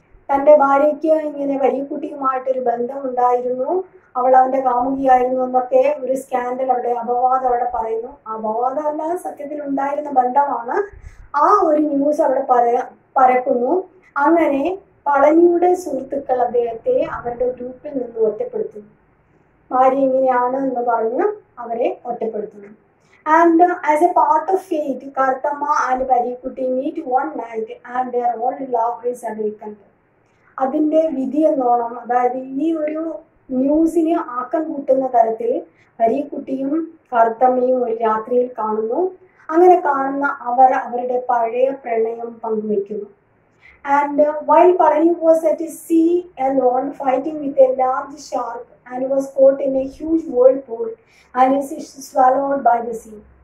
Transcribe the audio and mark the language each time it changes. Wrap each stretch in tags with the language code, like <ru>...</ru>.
<ml>തൻ്റെ ഭാര്യയ്ക്ക് ഇങ്ങനെ വലിയക്കുട്ടിയുമായിട്ടൊരു ബന്ധമുണ്ടായിരുന്നു, അവൾ അവൻ്റെ കാമുകിയായിരുന്നു എന്നൊക്കെ ഒരു സ്കാൻഡൽ അവിടെ അപവാദം അവിടെ പറയുന്നു. അപവാദമല്ല, സത്യത്തിൽ ഉണ്ടായിരുന്ന ബന്ധമാണ്. ആ ഒരു ന്യൂസ് അവിടെ പരക്കുന്നു. അങ്ങനെ പളനിയുടെ സുഹൃത്തുക്കൾ അദ്ദേഹത്തെ അവരുടെ ഗ്രൂപ്പിൽ നിന്ന് ഒറ്റപ്പെടുത്തുന്നു, ഭാര്യ ഇങ്ങനെയാണ് എന്ന് പറഞ്ഞ് അവരെ ഒറ്റപ്പെടുത്തുന്നു.</ml> <en>And as a part of fate, Kartamma and Pariyakutti meet one night and their old love is awakened.</en> <ml>അതിൻ്റെ വിധി എന്നോണം, അതായത് ഈ ഒരു ന്യൂസിന് ആക്കം കൂട്ടുന്ന തരത്തിൽ പരീക്കുട്ടിയും കറുത്തമ്മയും ഒരു രാത്രിയിൽ കാണുന്നു. അങ്ങനെ കാണുന്ന അവർ അവരുടെ പഴയ പ്രണയം പങ്കുവയ്ക്കുന്നു.</ml> <en>And while Palani was at sea alone fighting with a large shark and was caught in a huge whirlpool and is swallowed by the sea.</en>